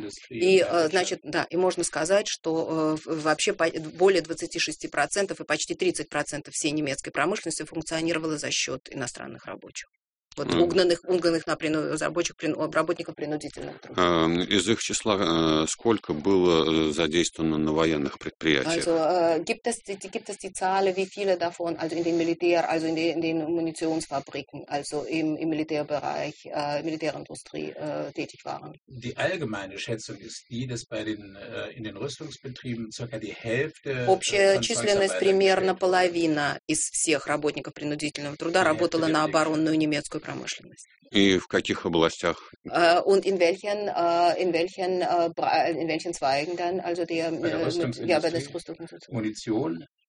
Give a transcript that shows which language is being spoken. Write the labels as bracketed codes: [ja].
[ru] И, значит, да, и можно сказать, что вообще более 26% и почти 30% всей немецкой промышленности функционировало за счет иностранных рабочих. Вот угнанных на работников принудительных трудов. Из их числа сколько было задействовано на военных предприятиях? [de] Also, gibt es die Zahlen, wie viele davon, also in den Militär, also in den Munitionsfabriken, also im Militärbereich, Militärindustrie tätig waren? Die allgemeine Schätzung ist die, dass bei den in den Rüstungsbetrieben circa die Hälfte. [ru] Общая численность примерно половина из всех работников принудительного труда работала на оборонную немецкую промышленность. И в каких областях? [de] Und in welchen Zweigen dann, also der Rüstungsindustrie, Munition,